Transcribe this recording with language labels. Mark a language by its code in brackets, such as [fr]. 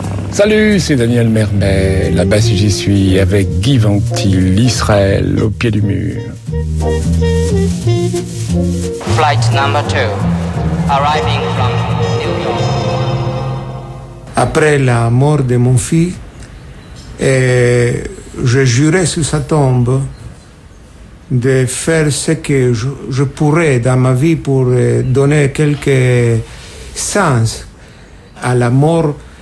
[fr] Salut, c'est Daniel Mermet. Là-bas, si j'y suis, avec Guy Ventil, Israël, au pied du mur. [en] Flight number 2, arriving from New York. [fr] Après la mort de mon fils, j'ai juré sur sa tombe de faire ce que je pourrais dans ma vie pour donner quelques sens à la mort.